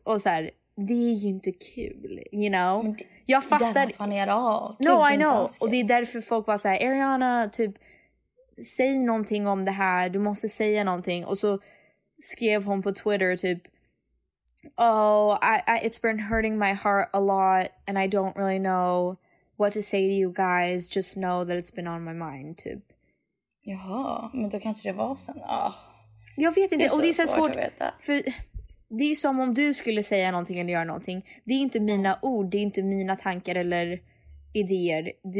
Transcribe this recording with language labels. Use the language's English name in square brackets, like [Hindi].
[Swedish] Och så här, det är ju inte kul, [English] you know? [Swedish] Jag fattar. Det är inte [English] funny at all. No, I know. [Swedish] Och det är därför folk bara så här, Ariana, typ, säg någonting om det här. Du måste säga någonting. Och så skrev hon på Twitter, typ, [English] it's been hurting my heart a lot and I don't really know what to say to you guys, just know that it's been on my mind, typ. [Swedish] Jaha, men då kanske det var sen. Jag vet inte, och det är så svårt att veta. För det är som om du skulle säga någonting eller göra någonting. Det är inte mina ord, det är inte mina tankar eller idéer.